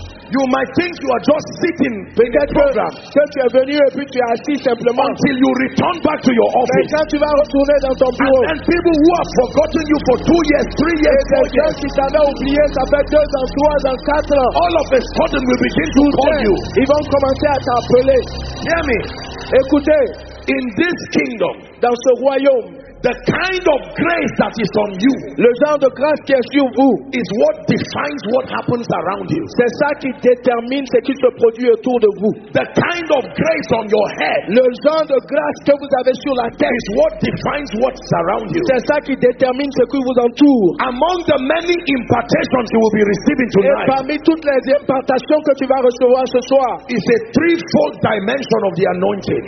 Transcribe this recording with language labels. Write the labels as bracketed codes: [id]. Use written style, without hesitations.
[en] you might think you are just sitting in the program, [fr] que tu es venu et puis tu es assis simplement, [en] until you return back to your office, [fr] mais quand tu vas retourner dans ton bureau, [en] and people who have forgotten you for 2 years, 3 years, [fr] et [en] 4 years, [fr] qui t'avaient oublié ça fait 2 ans, 3 ans, 4 ans, [en] all of a sudden will begin to call you, [fr] ils vont commencer à t'appeler. [en] Hear me, [fr] écoutez, [en] in this kingdom, [fr] dans ce royaume, [en] the kind of grace that is on you, [fr] le genre de grâce qui est sur vous, [en] is what defines what happens around you, [fr] c'est ça qui détermine ce qui se produit autour de vous. [en] The kind of grace on your head, [fr] le genre de grâce que vous avez sur la tête, [en] is what defines what is around you, [fr] c'est ça qui détermine ce qui vous entoure. [en] Among the many impartations you will be receiving tonight, [fr] et parmi toutes les impartations que tu vas recevoir ce soir, [en] is a threefold dimension of the anointing,